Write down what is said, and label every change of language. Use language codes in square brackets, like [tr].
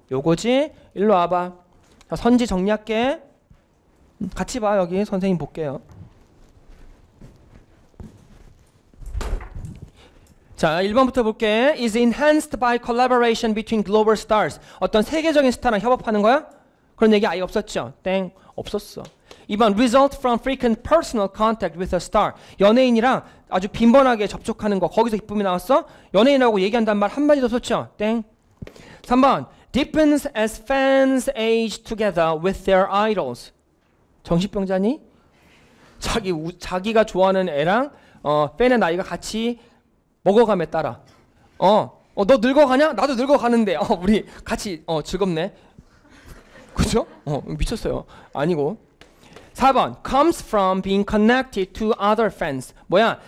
[ko] 요거지? 일로 와봐. 자, 선지 정리할게. 같이 봐. 여기 선생님 볼게요. 자, 1번부터 볼게. [en] Is enhanced by collaboration between global stars. [ko] 어떤 세계적인 스타랑 협업하는 거야? 그런 얘기 아예 없었죠? 땡. 없었어. 2번. [en] Result from frequent personal contact with a star. [ko] 연예인이랑 아주 빈번하게 접촉하는 거. 거기서 기쁨이 나왔어? 연예인하고 얘기한단 말 한마디도 없었죠? 땡. 3번. [en] Deepens as fans age together with their idols. [ko] 정신병자니? 자기가 좋아하는 애랑 팬의 나이가 같이 먹어감에 따라 너 늙어가냐? 나도 늙어가는데 우리 같이 즐겁네 그죠? 미쳤어요 아니고 4번 [en] comes from being connected to other fans [ko] 뭐야?